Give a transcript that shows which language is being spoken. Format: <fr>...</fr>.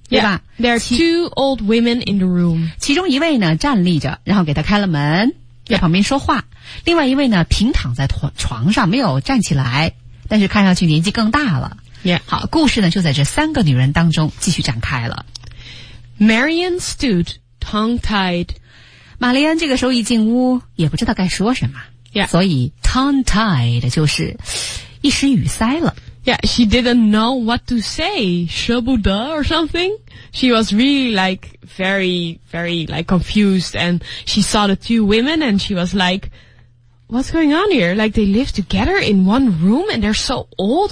<en>Yeah, there are two old women in the room.</en> <zh>其中一位呢站立着，然后给他开了门，在旁边说话。另外一位呢平躺在床上没有站起来，但是看上去年纪更大了。好，故事呢就在这三个女人当中继续展开了。Marion</zh> <en>stood tongue-tied.</en> <zh>玛丽安这个时候一进屋也不知道该说什么，所以 tongue-tied 就是一时语塞了。</zh> <en>Yeah, she didn't know what to say. Shabuda or something? She was really like very, very like confused and she saw the two women and she was like, what's going on here? Like they live together in one room and they're so old.</en>